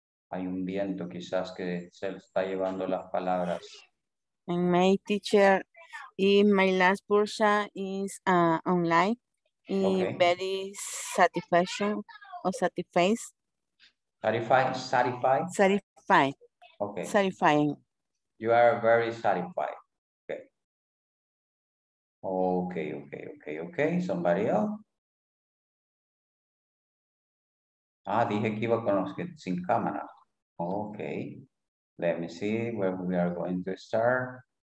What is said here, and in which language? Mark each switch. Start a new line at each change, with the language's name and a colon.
Spanish: Hay un viento quizás que se está llevando las palabras.
English: And my teacher, if my last purchase is online, okay. Very satisfaction or satisfied. Satisfied? Satisfied. Okay. Satisfying. You are very satisfied. Okay. Somebody else?
Spanish: Ah, dije que iba con los que sin cámara.
English: Okay, let me see where we are going to start.